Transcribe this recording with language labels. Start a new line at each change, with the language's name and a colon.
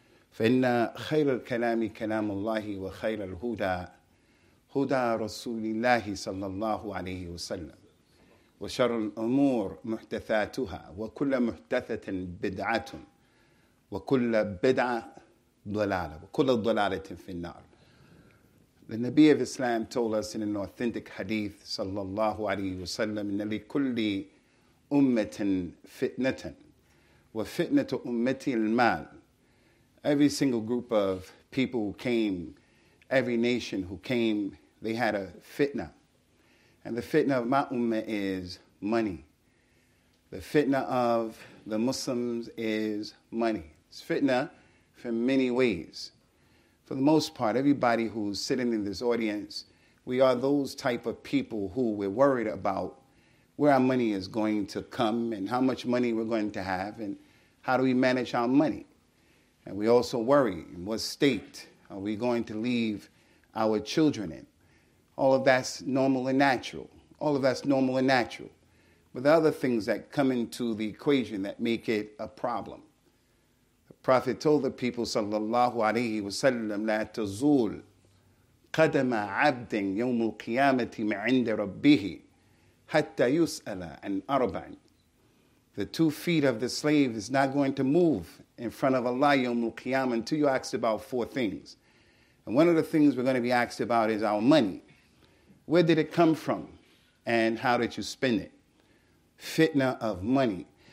Arabic: فإن خير الكلام كلام الله وخير الهدى هدى رسول الله صلى الله عليه وسلم وشر الأمور محدثاتها وكل محدثة بدعة وكل بدعة ضلالة وكل ضلالة في النار.
English: The Nabi of Islam told us in an authentic hadith, sallallahu alayhi wa sallam,
Arabic: إن لكل أمة فتنة وفتنة أمتي المال.
English: Every single group of people who came, every nation who came, they had a fitna. And the fitna of my ummah is money. The fitna of the Muslims is money. It's fitna for many ways. For the most part, everybody who's sitting in this audience, we are those type of people who we're worried about where our money is going to come and how much money we're going to have and how do we manage our money. And we also worry, in what state are we going to leave our children in? All of that's normal and natural. All of that's normal and natural. But there are other things that come into the equation that make it a problem. Prophet told the people,
Arabic: sallallahu alayhi wa sallam, لا تزول قدم عبد يوم القيامة عند ربه حتى يسأل عن أربع.
English: The 2 feet of the slave is not going to move in front of Allah يوم القيامة until you ask about 4 things. And one of the things we're going to be asked about is our money. Where did it come from? And how did you spend it? Fitna of money.